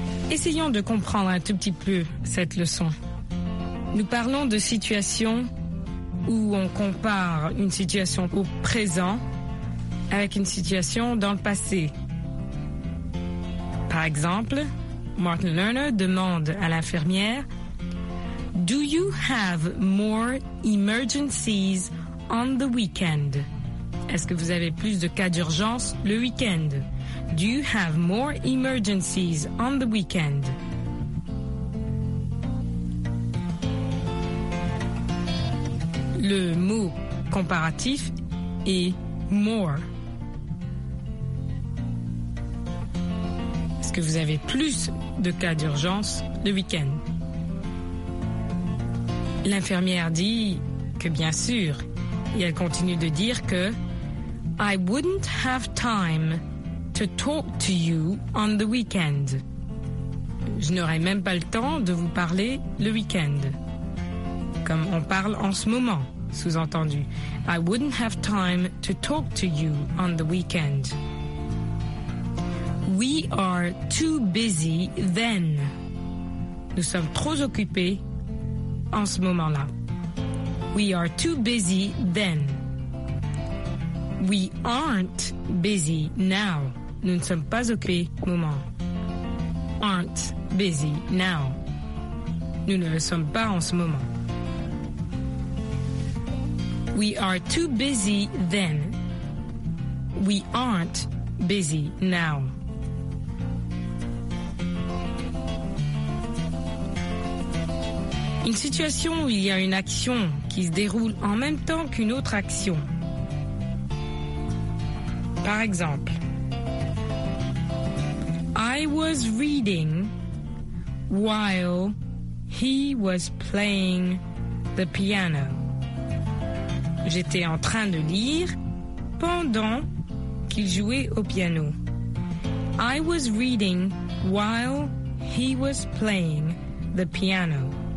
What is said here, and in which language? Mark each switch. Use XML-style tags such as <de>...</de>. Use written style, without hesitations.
<fr>Essayons de comprendre un tout petit peu cette leçon. Nous parlons de situations où on compare une situation au présent avec une situation dans le passé. Par exemple, Martin Lerner demande à l'infirmière «</fr> <en>Do you have more emergencies on the weekend?</en> <fr>» Est-ce que vous avez plus de cas d'urgence le week-end?</fr> <en>Do you have more emergencies on the weekend?</en> <fr>Le mot comparatif est more. Est-ce que vous avez plus de cas d'urgence le week-end? L'infirmière dit que bien sûr, et elle continue de dire que</fr> <en>I wouldn't have time to talk to you on the weekend.</en> <fr>Je n'aurais même pas le temps de vous parler le week-end. Comme on parle en ce moment, sous-entendu.</fr> <en>I wouldn't have time to talk to you on the weekend. We are too busy then.</en> <fr>Nous sommes trop occupés en ce moment-là.</fr> <en>We are too busy then. We aren't busy now.</en> <fr>Nous ne sommes pas occupés au moment.</fr> <en>Aren't busy now.</en> <fr>Nous ne le sommes pas en ce moment.</fr> <en>We are too busy then. We aren't busy now.</en> <fr>Une situation où il y a une action qui se déroule en même temps qu'une autre action. Par exemple,</fr> <en>I was reading while he was playing the piano.</en> <fr>J'étais en train de lire pendant qu'il jouait au piano.</fr> <en>I was reading while he was playing the piano.</en>